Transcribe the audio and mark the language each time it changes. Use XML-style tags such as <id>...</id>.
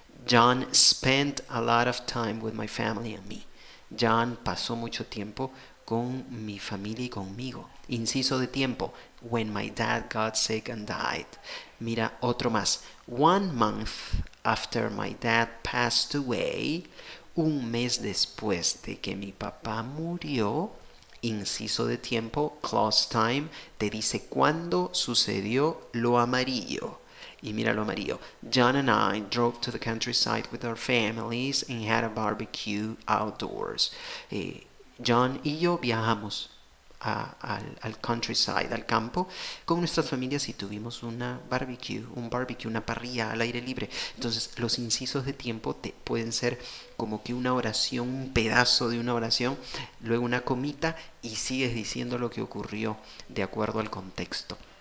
<en>John spent a lot of time with my family and me.</en> <es>John pasó mucho tiempo con mi familia y conmigo. Inciso de tiempo.</es> <en>When my dad got sick and died.</en> <es>Mira otro más.</es> <en>One month after my dad passed away.</en> <es>Un mes después de que mi papá murió. Inciso de tiempo.</es> <en>Clause time.</en> <es>Te dice cuándo sucedió lo amarillo. Y mira lo amarillo.</es> <en>John and I drove to the countryside with our families and had a barbecue outdoors.</en> <es>John y yo viajamos al countryside, al campo, con nuestras familias y tuvimos un barbecue, una parrilla al aire libre. Entonces, los incisos de tiempo te pueden ser como que una oración, un pedazo de una oración, luego una comita y sigues diciendo lo que ocurrió de acuerdo al contexto.</es>